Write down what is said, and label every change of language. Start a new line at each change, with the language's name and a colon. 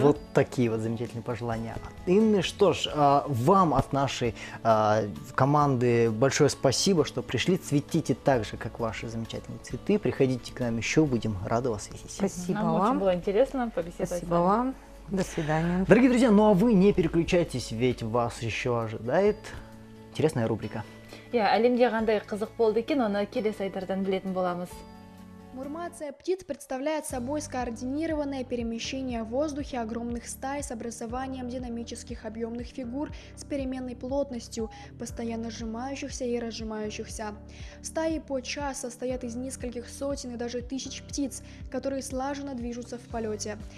Russian: Вот такие вот замечательные пожелания от Инны. Что ж, вам от нашей команды большое спасибо, что пришли. Цветите так же, как ваши замечательные цветы. Приходите к нам еще, будем рады вас видеть. Спасибо нам вам. Очень было интересно побеседовать. Спасибо вам. До свидания. Дорогие друзья, ну а вы не переключайтесь, ведь вас еще ожидает интересная рубрика.
Kazakh: Әлемде қандай қызық болды екен, оны келесі айдардан білетін боламыз.
Russian: Мурмация птиц представляет собой скоординированное перемещение в воздухе огромных стай с образованием динамических объемных фигур с переменной плотностью, постоянно сжимающихся и разжимающихся. Стаи подчас состоят из нескольких сотен и даже тысяч птиц, которые слаженно движутся в полете.